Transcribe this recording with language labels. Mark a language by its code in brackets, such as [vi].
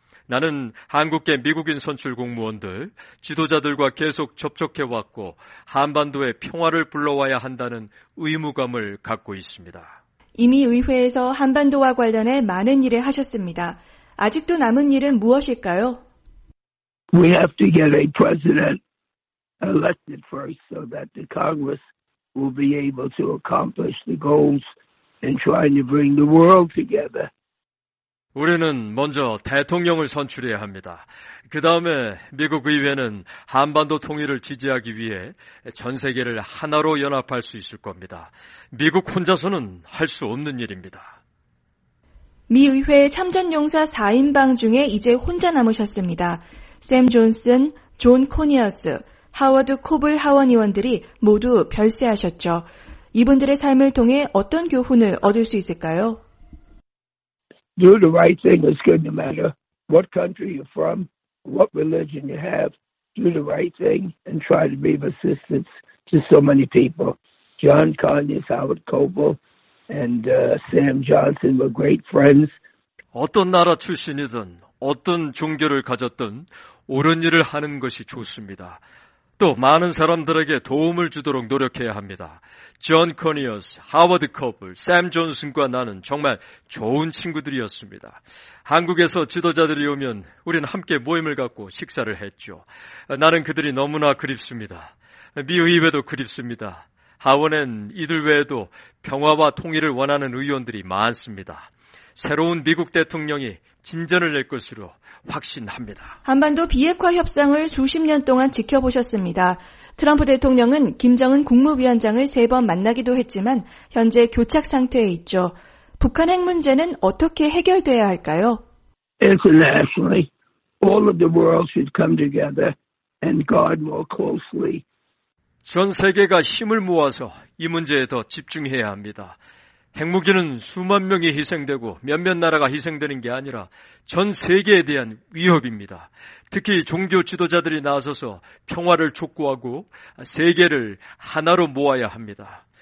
[ko] 나는 한국계 미국인 선출 공무원들, 지도자들과 계속 접촉해왔고 한반도에 평화를 불러와야 한다는 의무감을 갖고 있습니다. 이미 의회에서 한반도와 관련해 많은 일을 하셨습니다. 아직도 남은 일은 무엇일까요? [en] We have to get a president elected first so that the Congress will be able to accomplish the goals and trying to bring the world together. [ko] 우리는 먼저 대통령을 선출해야 합니다. 그 다음에 미국 의회는 한반도 통일을 지지하기 위해 전 세계를 하나로 연합할 수 있을 겁니다. 미국 혼자서는 할 수 없는 일입니다. 미 의회 참전용사 4인방 중에 이제 혼자 남으셨습니다. 샘 존슨, 존 코니어스, 하워드 코블 하원의원들이 모두 별세하셨죠. 이분들의 삶을 통해 어떤 교훈을 얻을 수 있을까요? [en] Do the right thing is good no matter what country you're from, what religion you have. Do the right thing and try to be of assistance to so many people. John Conyers, Howard Coble, and Sam Johnson were great friends. [ko] 어떤 나라 출신이든 어떤 종교를 가졌든 옳은 일을 하는 것이 좋습니다. 또 많은 사람들에게 도움을 주도록 노력해야 합니다. 존 코니어스, 하워드 커플, 샘 존슨과 나는 정말 좋은 친구들이었습니다. 한국에서 지도자들이 오면 우리는 함께 모임을 갖고 식사를 했죠. 나는 그들이 너무나 그립습니다. 미 의회도 그립습니다. 하원엔 이들 외에도 평화와 통일을 원하는 의원들이 많습니다. 새로운 미국 대통령이 진전을 낼 것으로 확신합니다. 한반도 비핵화 협상을 수십 년 동안 지켜보셨습니다. 트럼프 대통령은 김정은 국무위원장을 세 번 만나기도 했지만 현재 교착 상태에 있죠. 북한 핵 문제는 어떻게 해결돼야 할까요? [en] Internationally, all of the world should come together and guard more closely. [ko] 전 세계가 힘을 모아서 이 문제에 더 집중해야 합니다. 핵무기는 수만 명이 희생되고 몇몇 나라가 희생되는 게 아니라 전 세계에 대한 위협입니다. 특히 종교 지도자들이 나서서 평화를 촉구하고 세계를 하나로 모아야 합니다.